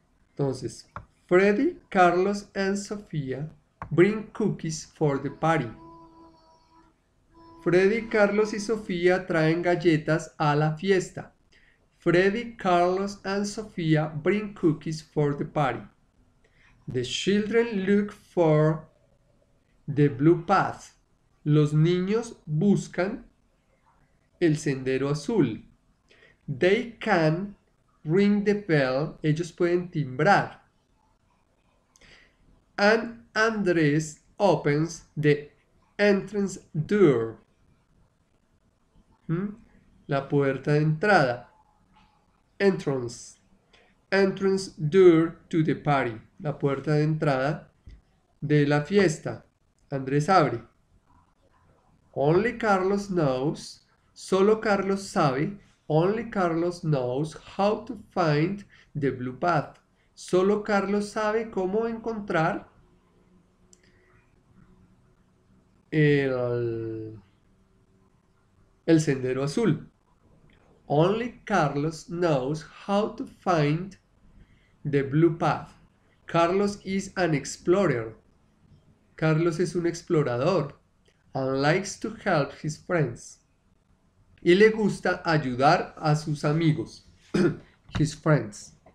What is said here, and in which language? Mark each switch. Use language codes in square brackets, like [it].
[en] Entonces, Freddy, Carlos and Sofía bring cookies for the party. [es] Freddy, Carlos y Sofía traen galletas a la fiesta. [en] Freddy, Carlos and Sofía bring cookies for the party. The children look for the blue path. [es] Los niños buscan el sendero azul. [en] They can ring the bell. [es] Ellos pueden timbrar. [en] And Andrés opens the entrance door. [es] La puerta de entrada. Entrance. [en] Entrance door to the party. [es] La puerta de entrada de la fiesta. Andrés abre. [en] Only Carlos knows. [es] Solo Carlos sabe. [en] Only Carlos knows how to find the blue path. [es] Solo Carlos sabe cómo encontrar el sendero azul. [en] Only Carlos knows how to find the blue path. Carlos is an explorer. [es] Carlos es un explorador [en] and likes to help his friends. [es] Y le gusta ayudar a sus amigos. [en] His friends.